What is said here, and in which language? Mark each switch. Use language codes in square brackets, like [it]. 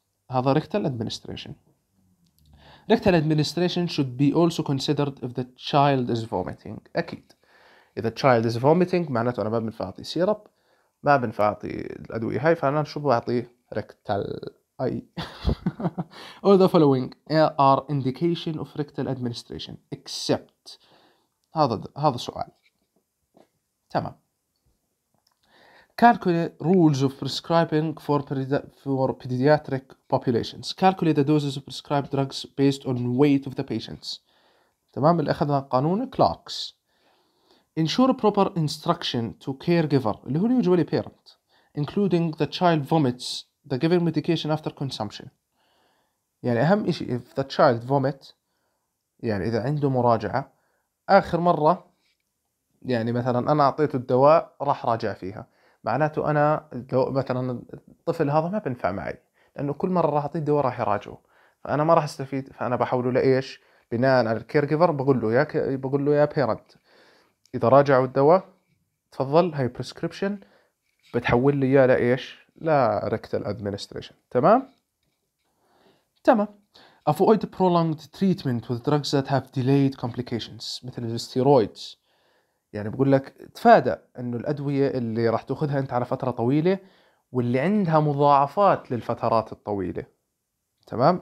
[en] هذا rectal administration. Rectal administration should be also considered if the child is vomiting. [ar] اكيد اذا [en] child is vomiting [ar] معناته انا ما بنفع اعطي سيرب، ما بنفع اعطي الادويه هاي، فانا شو بعطي؟ ريكتال. اي [en] all the following are indication of rectal administration except. [ar] هذا سؤال، تمام. [en] Calculate rules of prescribing for pediatric populations. Calculate the doses of prescribed drugs based on weight of the patients. [ar] تمام، اللي أخذنا قانون كلاركس. [en] Ensure proper instruction to caregiver، [ar] اللي هو [en] usually parent، including the child vomits the given medication after consumption. [ar] يعني أهم إشي [en] if the child vomit، [ar] يعني إذا عنده مراجعة آخر مرة، يعني مثلا أنا أعطيته الدواء راح راجع فيها، معناته أنا لو مثلا الطفل هذا ما بنفع معي، لأنه كل مرة راح أعطيه الدواء راح يراجعه، فأنا ما راح أستفيد، فأنا بحوله لإيش؟ بناء على الكير جيفر. بقول له يا بيرنت، إذا راجعوا الدواء تفضل هاي بريسكريبشن، بتحول لي إياه لإيش؟ لا ريكتال أدمينستريشن، تمام. [en] Avoid prolonged treatment with drugs that have delayed complications [ar] مثل الستيرويدز. يعني بقول لك تفادى انه الأدوية اللي راح تأخذها انت على فترة طويلة واللي عندها مضاعفات للفترات الطويلة، تمام.